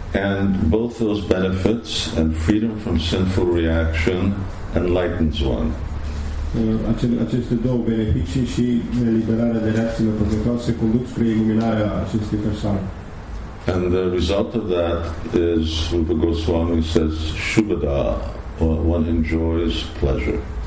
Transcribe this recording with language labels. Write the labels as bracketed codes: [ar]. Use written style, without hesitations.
[en] And both those benefits and freedom from sinful reaction enlightens one. [ro] Aceste două beneficii și eliberarea de reacțiile păcătoase conduc spre iluminarea acestei persoane. [en] And the result of that is, Rupa Goswami says, shubhada, or one enjoys pleasure.